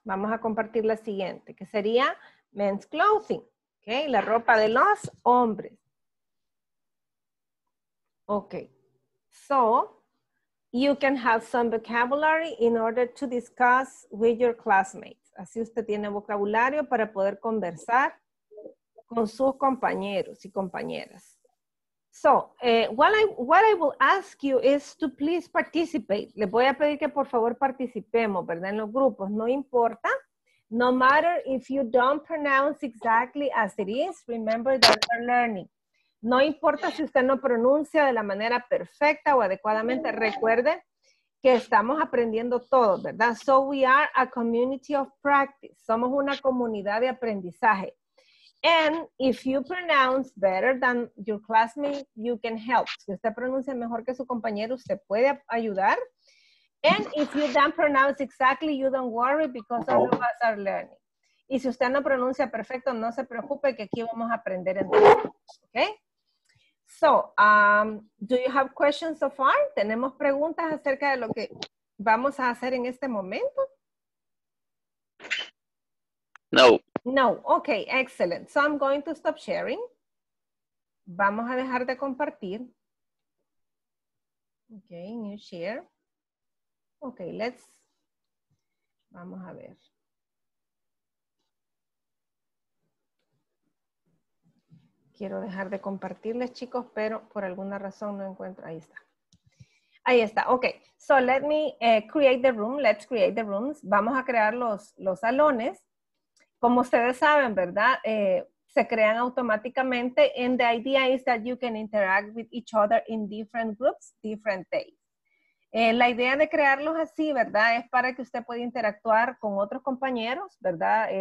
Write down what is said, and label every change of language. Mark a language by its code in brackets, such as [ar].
[es] Vamos a compartir la siguiente, que sería men's clothing. Okay, la ropa de los hombres. [en] Okay, so you can have some vocabulary in order to discuss with your classmates. [es] Así usted tiene vocabulario para poder conversar con sus compañeros y compañeras. [en] So, what I will ask you is to please participate. [es] Le voy a pedir que por favor participemos, ¿verdad? En los grupos, no importa. [en] No matter if you don't pronounce exactly as it is, remember that you're learning. [es] No importa si usted no pronuncia de la manera perfecta o adecuadamente, recuerde que estamos aprendiendo todo, ¿verdad? [en] So, we are a community of practice. [es] Somos una comunidad de aprendizaje. [en] And if you pronounce better than your classmate, you can help. [es] Si usted pronuncia mejor que su compañero, usted puede ayudar. [en] And if you don't pronounce exactly, you don't worry because all of us are learning. [es] Y si usted no pronuncia perfecto, no se preocupe que aquí vamos a aprender en todos. Okay? [en] So, do you have questions so far? [es] ¿Tenemos preguntas acerca de lo que vamos a hacer en este momento? No. [en] No, okay, excellent. So I'm going to stop sharing. [es] Vamos a dejar de compartir. [en] Okay, new share. Okay, [es] vamos a ver. Quiero dejar de compartirles, chicos, pero por alguna razón no encuentro. Ahí está. Ahí está. [en] Ok. So let me create the room. Let's create the rooms. [es] Vamos a crear los salones. Como ustedes saben, ¿verdad? Se crean automáticamente. [en] And the idea is that you can interact with each other in different groups, different days. [es] La idea de crearlos así, ¿verdad? Es para que usted pueda interactuar con otros compañeros, ¿verdad?